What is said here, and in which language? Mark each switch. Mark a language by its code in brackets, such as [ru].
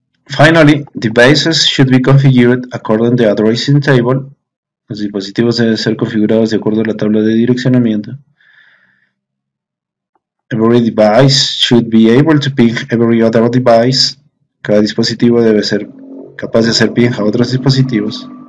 [en] Finally, the bases should be configured according to the addressing table. [es] Los dispositivos deben ser configurados de acuerdo a la tabla de direccionamiento. [en] Every device should be able to ping every other device. [es] Cada dispositivo debe ser capaz de hacer ping a otros dispositivos.